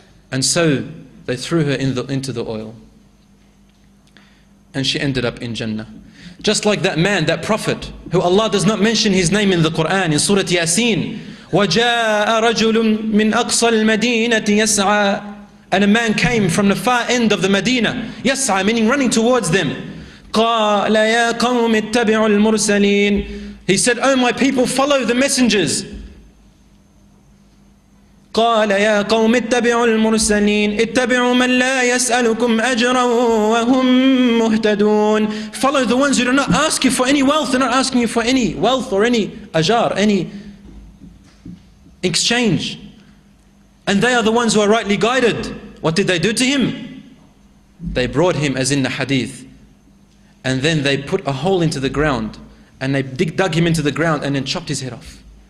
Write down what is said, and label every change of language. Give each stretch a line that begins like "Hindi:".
English: And so they threw her into the oil and she ended up in Jannah. Just like that man, that prophet, who Allah does not mention his name in the Quran, in Surah Yasin.
Arabic: وَجَاءَ رَجُلٌ مِّنْ أَقْصَى الْمَدِينَةِ يَسْعَى
English: And a man came from the far end of the Medina. يَسْعَى, meaning running towards them.
Arabic: قال يا قوم اتبعوا المرسلين.
English: He said, oh my people, follow the messengers.
Arabic: قال يا قوم اتبعوا المرسلين اتبعوا من لا يسألكم أجرا وهم مهتدون.
English: Follow the ones who do not ask you for any wealth. They're not asking you for any wealth or any ajar, any exchange. And they are the ones who are rightly guided. What did they do to him? They brought him, as in the hadith, and then they put a hole into the ground and they dug him into the ground and then chopped his head off.